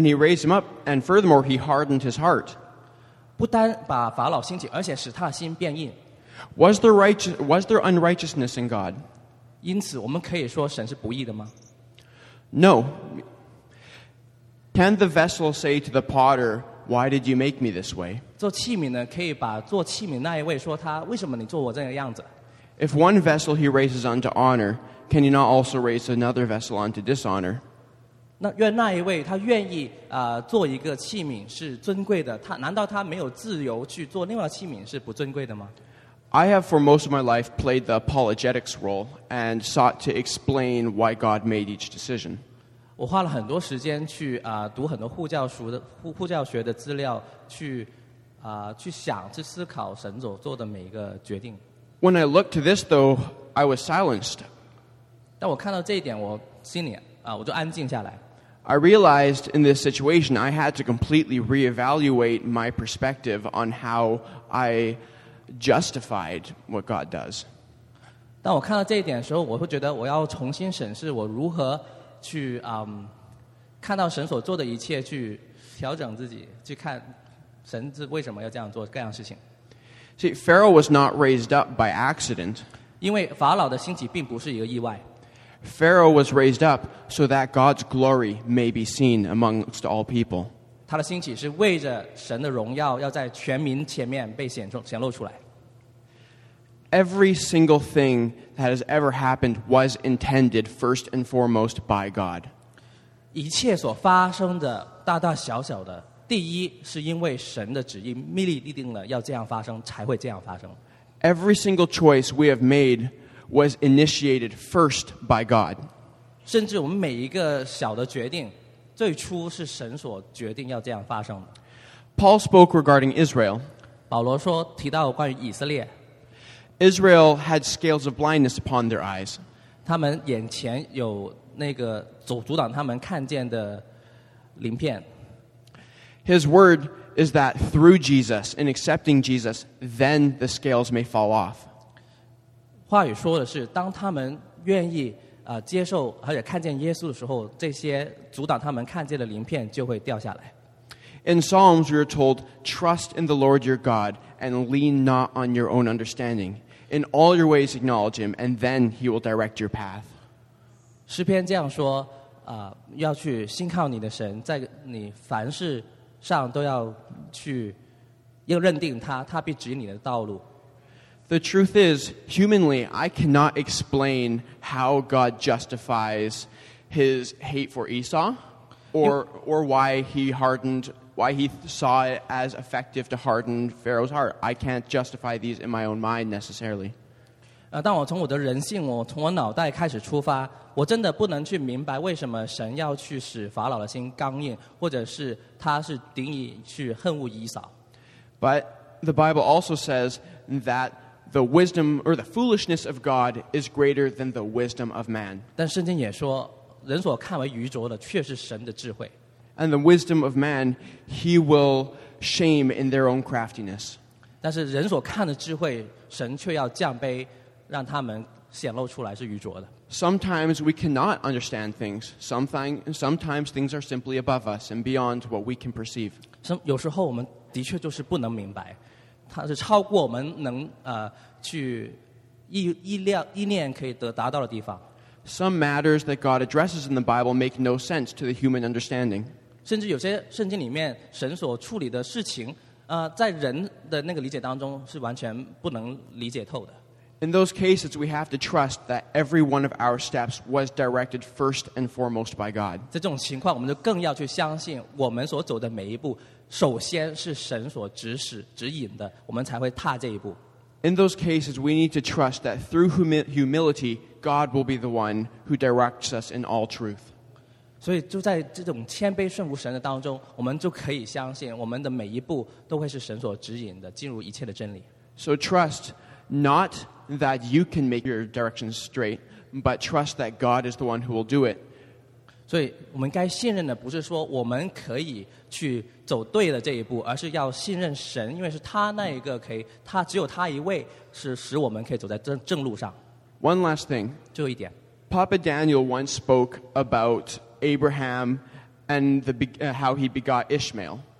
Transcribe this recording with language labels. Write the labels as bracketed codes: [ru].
[en] he raised him up, and furthermore, he hardened his heart. [zh] 不单把法老兴起，而且使他的心变硬。 [en] Was there unrighteousness in God? [zh] 因此我们可以说神是不义的吗? [en] No. Can the vessel say to the potter, why did you make me this way? [zh] 做器皿呢,可以把做器皿那一位说他,为什么你做我这个样子? [en] If one vessel he raises unto honor, can you not also raise another vessel unto dishonor? [zh] 愿那一位他愿意做一个器皿是尊贵的,难道他没有自由去做另外器皿是不尊贵的吗? [en] I have for most of my life played the apologetics role and sought to explain why God made each decision. [zh] 我花了很多时间去啊、读很多护教学的资料，去啊、去想、去思考神所做的每一个决定。 [en] When I looked to this, though, I was silenced. [zh] 但我看到这一点，我心里啊、我就安静下来。 [en] I realized in this situation, I had to completely reevaluate my perspective on how I justified what God does. [zh] 但我看到这一点的时候，我会觉得我要重新审视我如何。去、看到神所做的一切，去调整自己，去看神是为什么要这样做各样事情。 [en] See, Pharaoh was not raised up by accident. [zh] 因为法老的兴起并不是一个意外。 [en] Pharaoh was raised up so that God's glory may be seen amongst all people. [zh] 他的兴起是为着神的荣耀要在全民前面被显露出来。 [en] Every single thing that has ever happened was intended first and foremost by God. [zh] 一切所发生的大大小小的，第一是因为神的旨意命立定了要这样发生，才会这样发生。 [en] Every single choice we have made was initiated first by God. [zh] 甚至我们每一个小的决定，最初是神所决定要这样发生。 [en] Paul spoke regarding Israel. [zh] 保罗说，提到关于以色列。 [en] Israel had scales of blindness upon their eyes. [zh] 他们眼前有那个阻挡他们看见的鳞片。 [en] His word is that through Jesus, in accepting Jesus, then the scales may fall off. [zh] 话语说的是，当他们愿意接受而且看见耶稣的时候，这些阻挡他们看见的鳞片就会掉下来。 [en] In Psalms, we are told, "Trust in the Lord your God and lean not on your own understanding." In all your ways acknowledge him, and then he will direct your path. [zh] 诗篇这样说，要去信靠你的神，在你凡事上都要去，要认定他，他必指引你的道路。 [en] The truth is, humanly, I cannot explain how God justifies his hate for Esau, or why he saw it as effective to harden Pharaoh's heart. I can't justify these in my own mind necessarily. [zh] 当我从我的人性，我从我脑袋开始出发，我真的不能去明白为什么神要去使法老的心刚硬，或者是他是定义去恨恶以扫。 [en] But the Bible also says that the wisdom or the foolishness of God is greater than the wisdom of man. [zh] 但圣经也说，人所看为愚拙的，却是神的智慧。 [en] And the wisdom of man, he will shame in their own craftiness. [zh] 但是人所看的智慧，神却要降卑，让他们显露出来是愚拙的。 [en] Sometimes we cannot understand things. Sometimes things are simply above us and beyond what we can perceive. [zh] 有时候我们的确就是不能明白，它是超过我们能去意念可以达到的地方。 [en] Some matters that God addresses in the Bible make no sense to the human understanding. [zh] 甚至有些圣经里面神所处理的事情，在人的那个理解当中是完全不能理解透的。 [en] In those cases, we have to trust that every one of our steps was directed first and foremost by God. [zh] 在这种情况，我们就更要去相信我们所走的每一步，首先是神所指引的，我们才会踏这一步。 [en] In those cases, we need to trust that through humility, God will be the one who directs us in all truth. [zh] 所以就在这种谦卑顺服神的当中，我们就可以相信我们的每一步都会是神所指引的，进入一切的真理。 [en] So trust not that you can make your directions straight, but trust that God is the one who will do it. [zh] 所以我们该信任的不是说我们可以去走对了这一步，而是要信任神，因为是他那一个可以，他只有他一位是使我们可以走在正路上。 [en] One last thing. [zh] 最后一点。 [en] Papa Daniel once spoke about Abraham and how he begot Ishmael.